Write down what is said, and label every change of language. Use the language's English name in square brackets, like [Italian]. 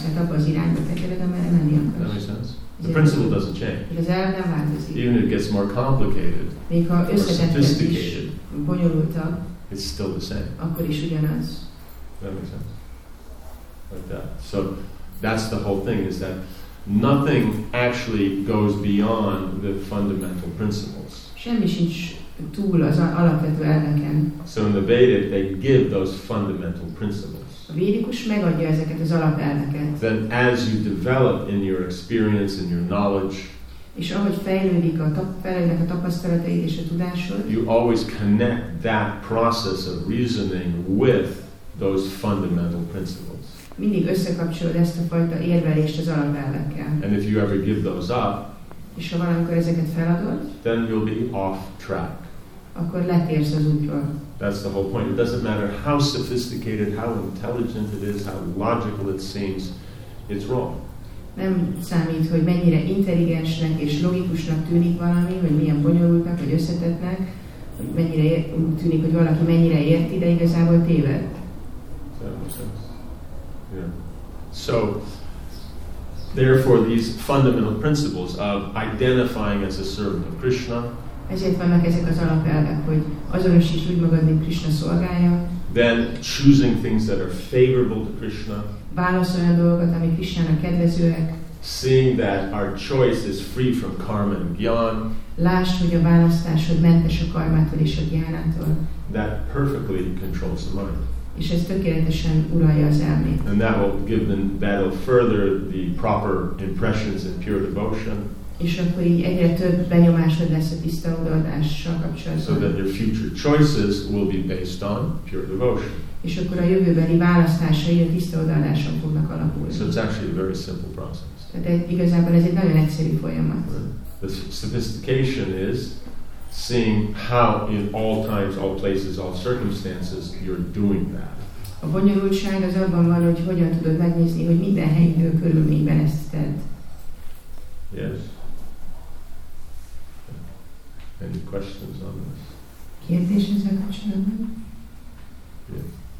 [Hungarian] Tehát abba az irányba tekered, amerre menni akarsz. [English] That makes sense. The principle doesn't change. [Hungarian] Az elv nem változik. [English] Even if it gets more complicated, [Hungarian] még ha összetettebb is, bonyolultabb, [English] it's still the same. [Hungarian] Akkor is ugyanaz. [English] That makes sense. Like that. So that's the whole thing, is that nothing actually goes beyond the fundamental principles. [Hungarian] Semmi sincs túl az alapvető elveken. [English] So in the Vedic, they give those fundamental principles. [Hungarian] A védikus megadja ezeket az alapelveket. [English] Then as you develop in your experience and your knowledge, [Hungarian] és ahogy fejlődik a tapasztalataid és a tudásod, [English] you always connect that process of reasoning with those fundamental principles. [Hungarian] Mindig összekapcsolod ezt a fajta érvelést az alapelvekkel. [English] And if you ever give those up, [Hungarian] és ha valamikor ezeket feladod, [English] then you'll be off track. [Hungarian] Akkor letérsz az útról. [English] That's the whole point. It doesn't matter how sophisticated, how intelligent it is, how logical it seems, it's wrong. [Hungarian] Nem számít, hogy mennyire intelligensnek és logikusnak tűnik valami, vagy milyen bonyolultnak, vagy összetettnek, hogy mennyire tűnik, hogy valaki mennyire érti, de igazából téved. [English] Yeah. So, therefore, these fundamental principles of identifying as a servant of Krishna. [Hungarian] Ezért vannak ezek az alapelvek, hogy azonosíts úgy magad, mint Krishna szolgája. [English] Then choosing things that are favorable to Krishna. [Hungarian] Válaszolni a dolgokat, ami Krishnának kedvezőek. [English] Seeing that our choice is free from karma and jnana. [Hungarian] Lásd, hogy a választásod mentes a karmától és a jnanától. [English] That perfectly controls the mind. [Hungarian] És ez tökéletesen uralja az elmét. [English] And that will give them that'll further the proper impressions and pure devotion. [Hungarian] És akkor így egyre több benyomásod lesz a tiszta odaadással kapcsolatban. [English] So that your future choices will be based on pure devotion. [Hungarian] És akkor a jövőbeli választásai a tiszta odaadáson fognak alapulni. [English] So it's actually a very simple process. [Hungarian] Tehát igazából ez egy nagyon egyszerű folyamat. [English] The sophistication is seeing how in all times, all places, all circumstances, you're doing that. [Hungarian] A bonyolultság az abban van, hogy hogyan tudod megnézni, hogy minden helyi körülményben ezt tedd. [English] Yes. Any questions on this? [Hungarian] Kérdés ezzel kapcsolatban? [English] Yes.